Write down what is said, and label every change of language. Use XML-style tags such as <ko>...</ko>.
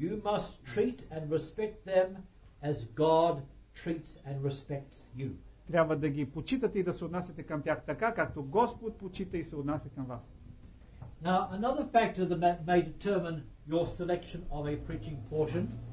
<en>You must treat and respect them as God treats and respects you.</en> <bg>Трябва да ги почитате и да се отнасяте към тях така, както Господ почита и се отнася към вас.</bg> <en>Now, another factor that may determine your selection of a preaching portion</en>